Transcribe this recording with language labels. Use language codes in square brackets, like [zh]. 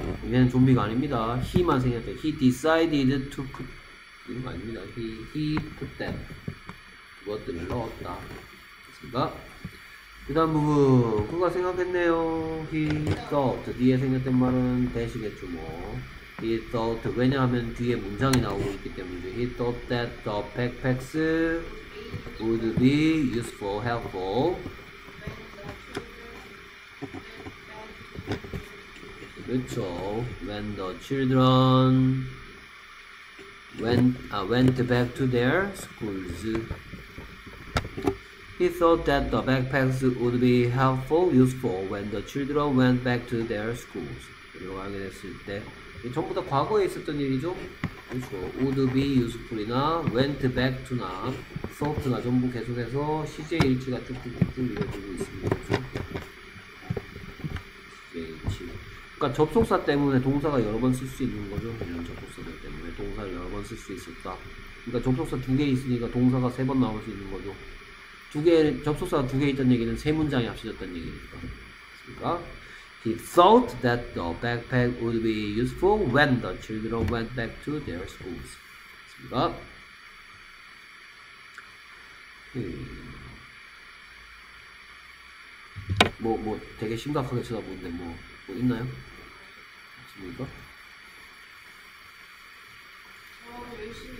[ko] 얘는 좀비가 아닙니다. He만 생겼대. [en] He decided to put [ko] 이런 거 아닙니다. [en] He put them. [ko] 그것들을 넣었다. 됐습니까? 그 다음 부분. 그가 생각했네요. [en] He thought. [ko] 뒤에 생겼던 말은 that이겠죠, 뭐. [en] He thought. [ko] 왜냐하면 뒤에 문장이 나오고 있기 때문에. [en] He thought that the backpacks would be useful, helpful. [ko] 그렇죠. [en] When the children went back to their schools. He thought that the backpacks would be helpful, useful when the children went back to their schools. [ko] 이렇게 하게 됐을 때. 전부 다 과거에 있었던 일이죠? 그렇죠. [en] would be useful [ko] 이나, [en] went back to [ko] 나, thought나 전부 계속해서 시제 일치가 쭉쭉쭉 이어지고 있습니다. 그렇죠? 그러니까 접속사 때문에 동사가 여러 번 쓸 수 있는 거죠. 이런 접속사들 때문에 동사를 여러 번 쓸 수 있었다. 그러니까 접속사 두 개 있으니까 동사가 세 번 나올 수 있는 거죠. 두 개 접속사가 두 개 있다는 얘기는 세 문장이 합쳐졌다는 얘기니까. 그러니까 [en] he thought that the backpack would be useful when the children went back to their schools. [ko] 그러니까 뭐 되게 심각하게 쳐다보는데 뭐. 뭐 있나요? 없습니까? 열심히